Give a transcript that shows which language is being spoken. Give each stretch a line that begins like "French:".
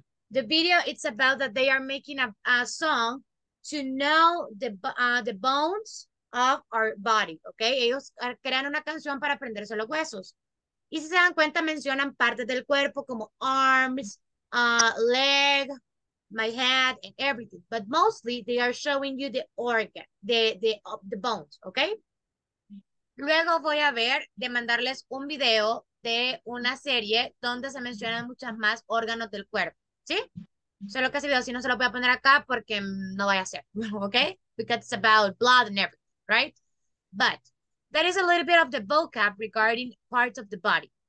English: The video, it's about that they are making a song to know the bones of our body, ok?
Spanish: Ellos crean una canción para aprenderse los huesos. Y si se dan cuenta, mencionan partes del cuerpo como
English: arms, leg, my head and everything, but mostly they are showing you the organ, the bones, okay?
Spanish: Luego voy a ver de mandarles un video de una serie donde se mencionan muchas más órganos del cuerpo, ¿sí? Solo que ese video si no se lo voy a poner acá porque no vaya a ser, okay?
English: Because it's about blood and everything, right? But that is a little bit of the vocab regarding parts of the body.